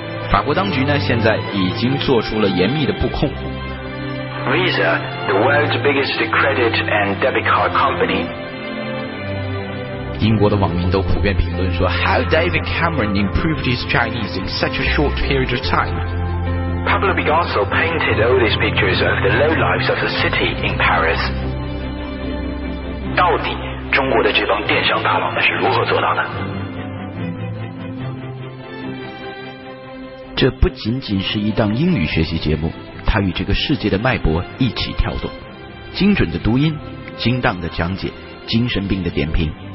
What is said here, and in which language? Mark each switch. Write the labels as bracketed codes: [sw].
[zh] 法国当局呢，现在已经做出了严密的布控。 [en] Visa, the world's biggest credit and debit card company. [zh] 英国的网民都普遍评论说 ， [en] How David Cameron improved his Chinese in such a short period of time? Pablo Picasso painted all these pictures of the low lives of the city in Paris. [zh] 到底中国的这帮电商大佬是如何做到的？这不仅仅是一档英语学习节目，它与这个世界的脉搏一起跳动，精准的读音，精当的讲解，精神病的点评。